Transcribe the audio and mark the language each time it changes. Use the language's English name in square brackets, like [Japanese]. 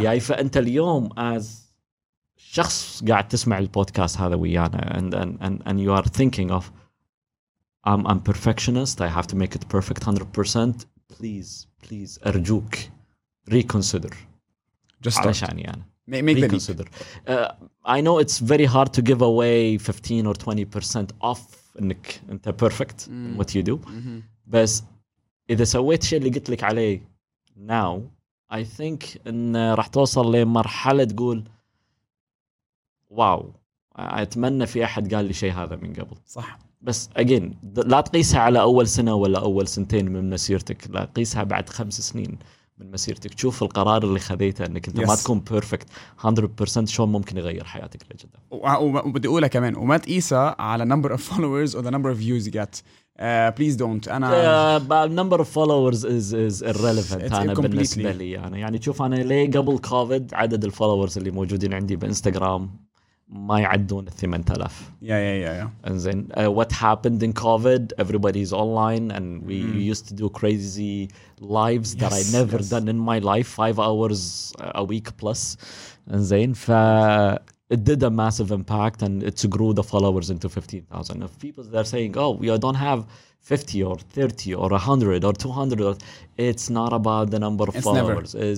[Arabic] يعني فأنت اليوم [English] as [Arabic] شخص قاعد تسمع البودكاست هذا ويانا [English] and you are thinking of I'm perfectionist, I have to make it perfect 100%. Please [Arabic] أرجوك [English] reconsider. Just start. علشان [Arabic] يعني. [English] Make reconsider. I know it's very hard to give away 15 or 20% off [Arabic] إنك أنت [English] perfect in what you do. Mm-hmm. [Arabic] بس إذا سويت شيء اللي قلت لك عليه [English] now, I think [Arabic] إن راح توصل لمرحلة تقول واو. أتمنى في أحد قال لي شيء هذا من قبل. صح. بس again لا تقيسها على أول سنة ولا أول سنتين من مسيرتك. لا تقيسها بعد 5 سنين من مسيرتك. شوف القرار اللي خذيته أنك أنت yes. ما تكون perfect 100% شلون ممكن يغير حياتك لجدا. وبدي أقولها كمان وما تقيسها على [English] number of followers or the number of views you get. Please don't. أنا number of followers is irrelevant. [Arabic] أنا بالنسبة لي يعني تشوف أنا ليه قبل كوفيد عدد الفولورز اللي موجودين عندي بإنستغرام ما يعدون 8000. [English] Yeah. And then what happened in COVID? Everybody's online, and we used to do crazy lives that I never done in my life, 5 hours a week plus. And then, it did a massive impact, and it grew the followers into 15,000. If people they're saying, "Oh, we don't have 50 or 30 or 100 or 200," it's not about the number of followers.